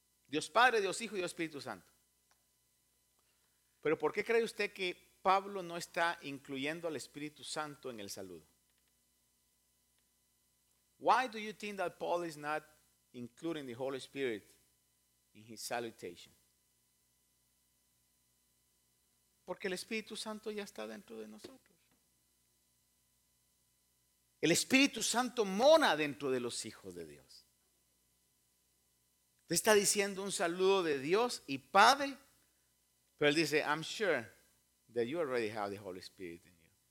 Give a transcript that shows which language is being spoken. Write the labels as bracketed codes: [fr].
[es] Dios Padre, Dios Hijo y Dios Espíritu Santo. Pero ¿por qué cree usted que Pablo no está incluyendo al Espíritu Santo en el saludo? [en] Why do you think that Paul is not including the Holy Spirit in his salutation? [es] Porque el Espíritu Santo ya está dentro de nosotros. El Espíritu Santo mora dentro de los hijos de Dios. Te está diciendo un saludo de Dios y Padre, pero él dice, [en] I'm sure that you already have the Holy Spirit in you.